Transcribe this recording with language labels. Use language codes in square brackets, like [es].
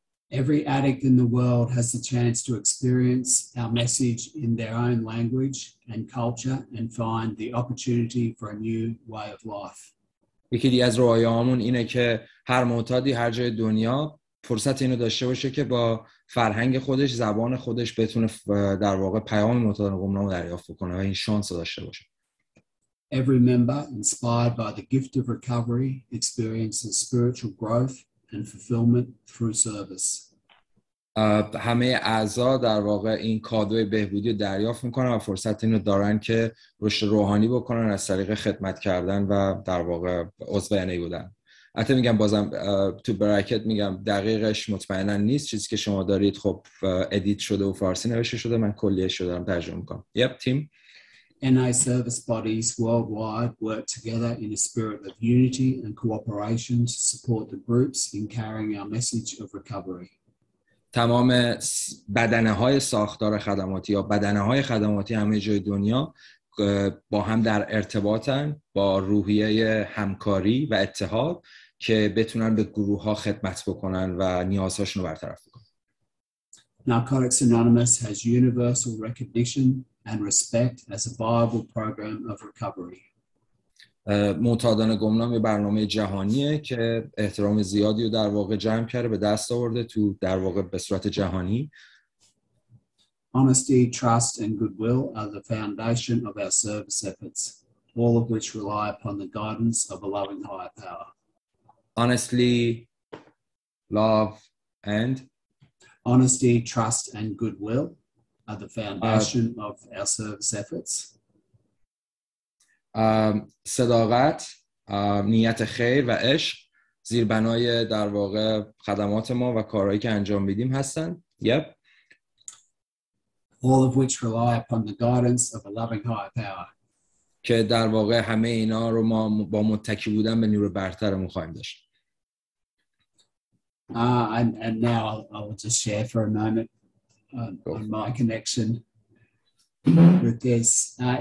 [en] Every addict in the world has the chance to experience our message in their own language and culture and find the opportunity for a new way of life. [fa] یکی دیگه از رویاهامون اینه که هر معتادی هر جای دنیا فرصت اینو داشته باشه که با فرهنگ خودش، زبان خودش بتونه در واقع پیام معتاد قمنامو دریافت کنه و این شانس رو داشته باشه. [en] Every member inspired by the gift of recovery experiences spiritual growth and fulfillment through service. [fa] همه اعضا در واقع این کادوی بهبودی رو دریافت میکنن و فرصت اینو دارن که رشد روحانی بکنن از طریق خدمت کردن و در واقع عضو NA بودن. حتی میگم بازم تو براکت میگم دقیقش مطمئنا نیست، چیزی که شما دارید خب ادیت شده و فارسی نوشته شده، من کلیش رو دارم ترجمه میکنم. یپ تیم [en] NA service bodies worldwide work together in a spirit of unity and cooperation to support the groups in carrying our message of recovery. [fa] تمام بدنه های ساختار خدماتی یا بدنه های خدماتی همه جای دنیا با هم در ارتباطن با روحیه همکاری و اتحاد که بتونن به گروه ها خدمت بکنن و نیازهاشون رو برطرف بکنن. [en] Narcotics Anonymous has universal recognition and respect as a viable program of recovery. [fa] معتادان گمنام یه برنامه جهانیه که احترام زیادی رو در واقع جمع کرده، به دست آورده تو در واقع به صورت جهانی. [en] Honesty, trust and goodwill are the foundation of our service efforts, all of which rely upon the guidance of a loving higher power. Honestly, love and Honesty, trust and goodwill are the foundation of our service efforts. [fa] صداقت، نیت خیر و عشق زیربنای در واقع خدمات ما و کارهایی که انجام میدیم هستن. [en] Yep. All of which rely upon the guidance of a loving higher power. [fa] که در واقع همه اینا رو ما با متکی بودن به نیروی برترمون خواهیم داشت. [en] And now I'll just share for a moment on my connection with this.